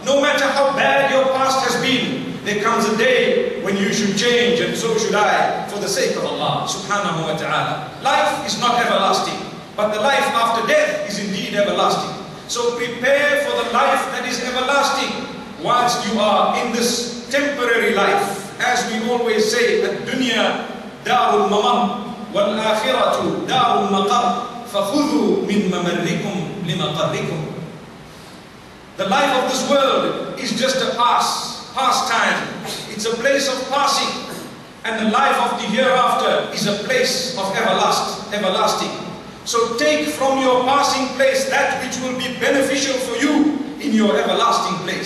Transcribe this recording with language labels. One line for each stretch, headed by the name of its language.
English: No matter how bad your past has been, there comes a day when you should change and so should I for the sake of Allah subhanahu wa ta'ala. Life is not everlasting. But the life after death is indeed everlasting. So prepare for the life that is everlasting whilst you are in this temporary life.
Arabic: As we always say, الدُّنْيَا دَارُ الْمَمَرْ وَالْآخِرَةُ دَارُ الْمَقَرْ فَخُذُوا مِنْ مَمَرِّكُمْ لِمَقَرِّكُمْ.
English: The life of this world is just a pastime. It's a place of passing. And the life of the hereafter is a place of everlasting. So take from your passing place that which will be beneficial for you in your everlasting place.